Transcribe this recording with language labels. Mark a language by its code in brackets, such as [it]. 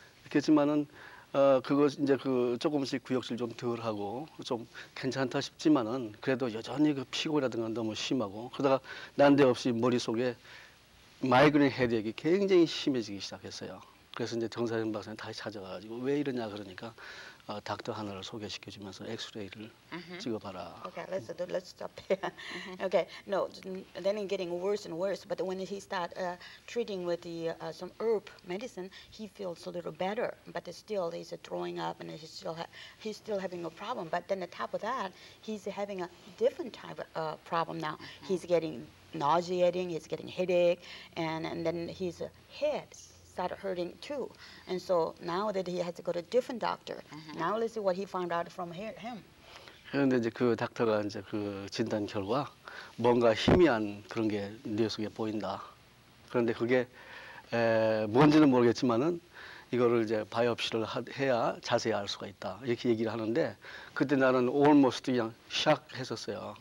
[ko] 그렇지만은 그것 이제 그 조금씩 구역질 좀 덜 하고 좀 괜찮다 싶지만은 그래도 여전히 그 피곤이라든가 너무 심하고 그러다가 난데없이 머릿속에 마이그레인 헤드액이 굉장히 심해지기 시작했어요. 그래서 이제 정사영 박사님 다시 찾아가지고 왜 이러냐 그러니까 닥터 하나를 소개시켜 주면서 엑스레이를 찍어 봐라. [en] Okay, let's stop here. Okay. No, then it's getting worse and worse, but when he start treating with the some herb medicine, he feels a little better, but still he's throwing up and he's still having a problem, but then on top of that, he's having a different type of problem now. Mm-hmm. He's getting nauseating, he's getting headache, and then his head started hurting too. And so now that he has to go to a different doctor. Mm-hmm. Now let's see what he found out from him. [ko] 그런데 이제 그 닥터가 이제 그 진단 결과 뭔가 희미한 그런 게 뇌 속에 보인다. 그런데 그게 뭔지는 모르겠지만은 이거를 이제 바이옵시를 해야 자세히 알 수가 있다. 이렇게 얘기를 하는데 그때 나는 almost 그냥 샥 했었어요.